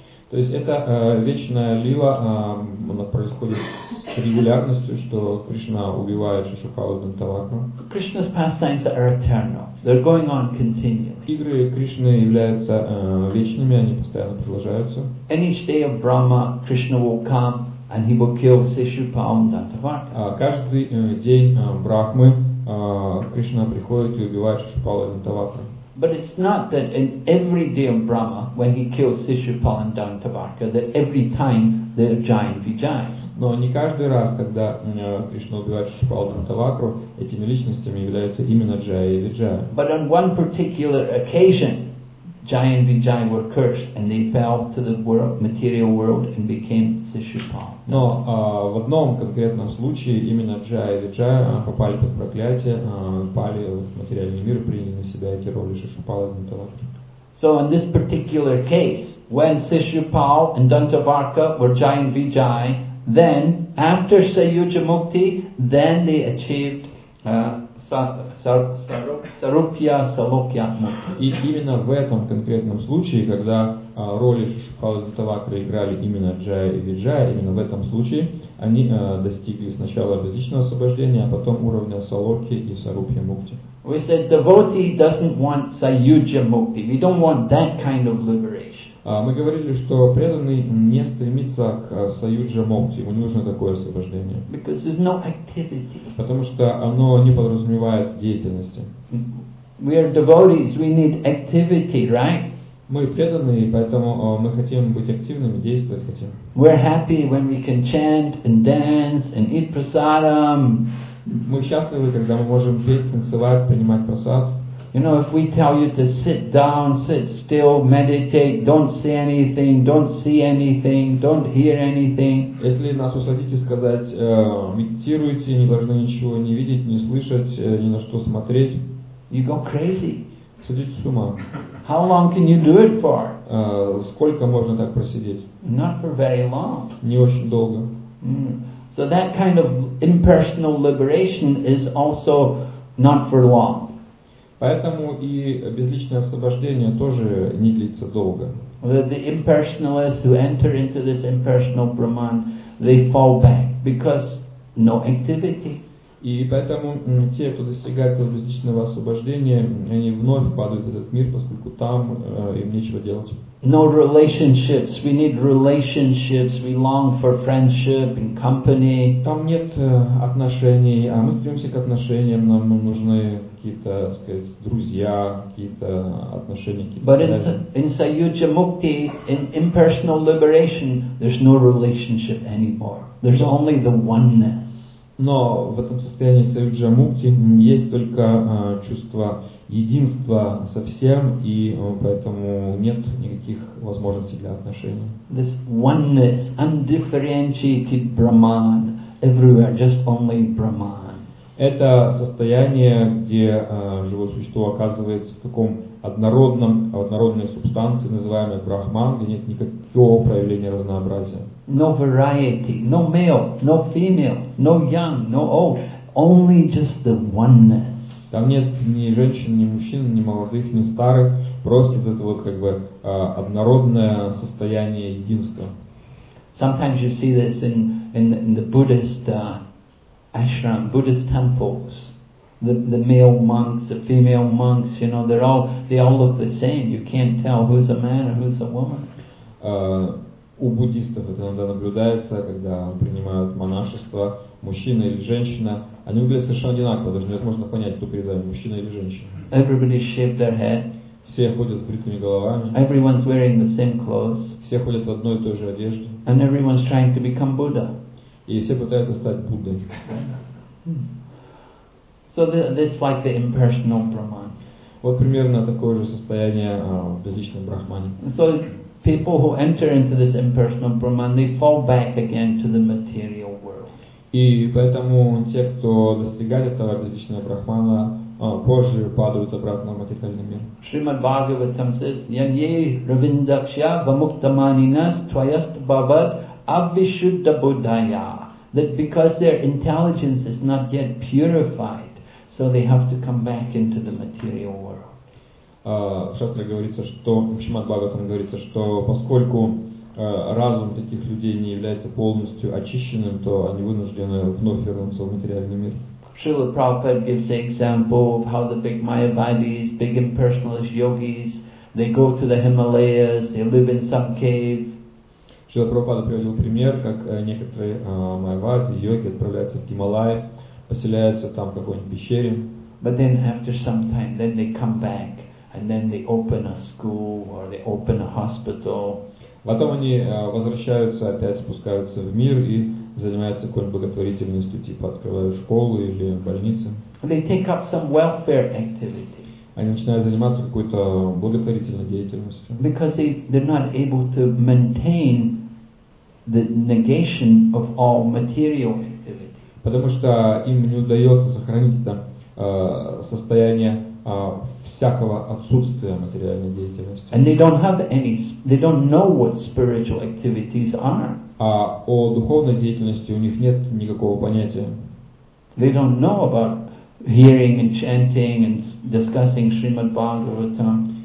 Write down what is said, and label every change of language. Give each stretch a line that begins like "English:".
Russian: То есть это вечная лила, она происходит с регулярностью, что Кришна убивает Шишупалу и Дантавакру.
English: Krishna's pastimes are eternal. They're going on continually.
Russian: Игры Кришны являются вечными, они постоянно продолжаются.
English: In each day of Brahma, Krishna will come and he will kill Sishupalu and Dantavarka.
Russian: Каждый день Брахмы Кришна приходит и убивает Шишупалу и Дантавакру.
English: But it's not that in every day of Brahma, when he kills Sishupal and Dantavarka, that every time they're Jayan Vijay.
Russian: Но не каждый раз, когда Кришна убивает Шишупал и Дантавакру, этими личностями являются именно Джая и Виджая.
English: But on one particular occasion, Jayan Vijay were cursed and they fell to the world, material world, and became Sishupal.
Russian: Но в одном конкретном случае именно Джая и Виджая попали под проклятие, пали в материальный мир, приняли на себя эти роли Шишупала и Дантавакры.
English: So in this particular case, when Sishupal and Dantavarka were Jayan Vijay, then after Sayujya Mukti, then they achieved Sarupya Salokya Mukti.
Russian: И именно в этом конкретном случае, когда роли Шишупала и Дантавакры играли именно Джая и Виджая, именно в этом случае они достигли сначала безличного освобождения, а потом уровня Салоки и Сарупья Мукти.
English: We said devotee doesn't want Sayujya Mukti. We don't want that kind of liberation.
Russian: Мы говорили, что преданный не стремится к саюджа мокти, ему не нужно такое освобождение.
English: Because there's no activity.
Russian: Потому что оно не подразумевает деятельности.
English: We are devotees, we need activity, right?
Russian: Мы преданные, поэтому мы хотим быть активными, действовать хотим.
English: We're happy when we can chant and dance and eat prasadam.
Russian: Мы счастливы, когда мы можем петь, танцевать, принимать просад.
English: You know, if we tell you to sit down, sit still, meditate, don't say anything, don't see anything, don't hear anything.
Russian: Если нас усадите сказать, медитируйте, не должны ничего не видеть, не слышать, ни на что смотреть.
English: You go crazy.
Russian: Садитесь с ума.
English: How long can you do it for?
Russian: Сколько можно так просидеть?
English: Not for very long.
Russian: Не очень долго.
English: So that kind of impersonal liberation is also not for long.
Russian: Поэтому и безличное освобождение тоже не длится долго.
English: The impersonalists who enter into this impersonal Brahman, they fall back because no activity.
Russian: И поэтому те, кто достигает безличного освобождения, они вновь падают в этот мир, поскольку там им нечего делать.
English: No relationships. We need relationships. We long for friendship and company.
Russian: Там нет отношений, а мы стремимся к отношениям. Нам нужны какие-то, сказать, друзья, какие-то отношения. Какие-то
English: But in Sayuja Mukti, in impersonal liberation, there's no relationship anymore. There's only the oneness.
Russian: Но в этом состоянии саюджа мукти есть только чувство единства со всем, и поэтому нет никаких возможностей для отношений.
English: This oneness, undifferentiated Brahman, everywhere, just only Brahman.
Russian: Это состояние, где живое существо оказывается в таком однородной субстанции, называемой Брахман, где нет никакого проявления разнообразия.
English: No variety, no male, no female, no young, no old, only just the oneness.
Russian: Там нет ни женщин, ни мужчин, ни молодых, ни старых, просто вот это вот как бы однородное состояние единства.
English: Sometimes you see this in the Buddhist ashram, Buddhist temples. The male monks, the female monks, you know, they all look the same. You can't tell who's a man or who's a woman.
Russian: У буддистов это иногда наблюдается, когда принимают монашество, мужчина или женщина, они выглядят совершенно одинаково, даже невозможно понять, кто перед вами, мужчина или женщина.
English: Everybody shaved their head.
Russian: Все ходят с бритыми головами.
English: Everyone's wearing the same clothes.
Russian: Все ходят в одной и той же одежде.
English: And everyone's trying to become Buddha.
Russian: И все пытаются стать Буддой.
English: So this is like the impersonal Brahman.
Russian: Вот примерно такое же состояние в безличном Брахмане.
English: So people who enter into this impersonal Brahman, they fall back again to the material world.
Russian: И поэтому те, кто достигает этого безличного Брахмана, позже падают обратно в материальный мир.
English: Shrimad Bhagavatam says,
Sanskrit: Yanye Ravindakshya Vamuktamaninas Twayast Bhavad Avishuddha Buddhaya.
English: That because their intelligence is not yet purified, so they have to come back into the material world.
Russian: Шастра говорится, что в Шримад-Бхагаватам говорится, что поскольку разум таких людей не является полностью очищенным, то они вынуждены вновь вернуться в материальный мир.
English: Шрила Прабхупада gives an example of how the big Mayavadis, big impersonalist yogis, they go to the Himalayas, they live in some cave.
Russian: Шрила Прабхупада приводил пример, как некоторые майявади, йоги отправляются в Гималаи, поселяются там в какой-нибудь пещере.
English: But then after some time, then they come back. And then they open a school or they open a hospital.
Russian: Потом они возвращаются, опять спускаются в мир и занимаются какой-нибудь благотворительностью, типа открывают школу или больницу.
English: They take up some welfare activity.
Russian: Они начинают заниматься какой-то благотворительной деятельностью.
English: Because they're not able to maintain the negation of all material activity.
Russian: Потому что им не удается сохранить это состояние всякого отсутствия материальной деятельности.
English: And they don't have any, they don't know what spiritual activities are.
Russian: А о духовной деятельности у них нет никакого понятия.
English: They don't know about hearing and chanting and discussing Srimad Bhagavatam.